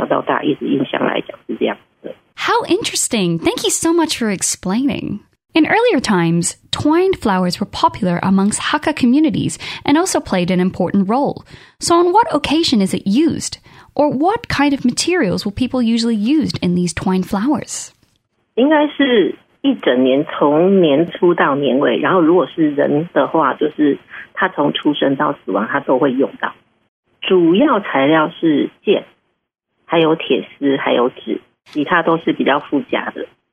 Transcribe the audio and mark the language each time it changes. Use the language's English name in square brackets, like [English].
[Chinese] 只是从那时候就开始练习，你手指头捏线，就跟那个练习用筷子的那种感觉是一样，慢慢去练习，练习到最后，然后为什么？因为那个久不练或刚开始没做，容易抽筋，对，会容易抽筋在这边，对，就是一直从小到大一直印象来讲是这样的。 [English] How interesting! Thank you so much for explaining. In earlier times, twined flowers were popular amongst Hakka communities and also played an important role. So on what occasion is it used? Or what kind of materials will people usually use in these twined flowers? [Chinese] 应该是一整年从年初到年尾，然后如果是人的话，就是他从出生到死亡，他都会用到。主要材料是线，还有铁丝，还有纸，其他都是比较附加的。